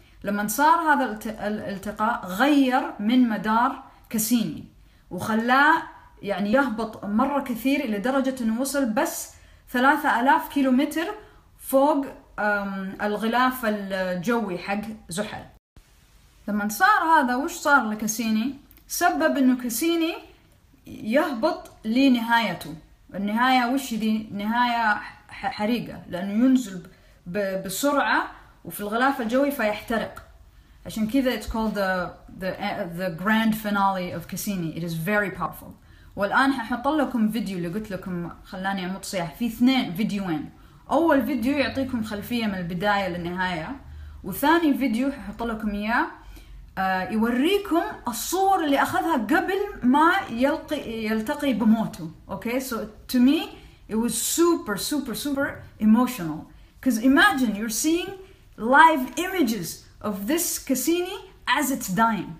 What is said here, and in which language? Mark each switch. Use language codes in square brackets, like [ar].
[ar] لما صار هذا الالتقاء غير من مدار كاسيني وخلاه يعني يهبط مرة كثير، إلى درجة أنه وصل بس 3000 كيلومتر فوق الغلاف الجوي حق زحل. لما صار هذا وش صار لكاسيني؟ سبب انه كاسيني يهبط لنهايته. النهاية وش ذي؟ نهاية حريقة، لانه ينزل بسرعة وفي الغلاف الجوي فيحترق. عشان كذا [en] it's called the grand finale of Cassini. It is very powerful. [ar] والان ححط لكم فيديو اللي قلت لكم خلاني اموت صياح. في اثنين فيديوين، اول فيديو يعطيكم خلفية من البداية للنهاية، وثاني فيديو ححط لكم اياه يوريكم الصور اللي أخذها قبل ما يلتقي بموته. [en] Okay, so to me it was super super super emotional. Because imagine you're seeing live images of this Cassini as it's dying.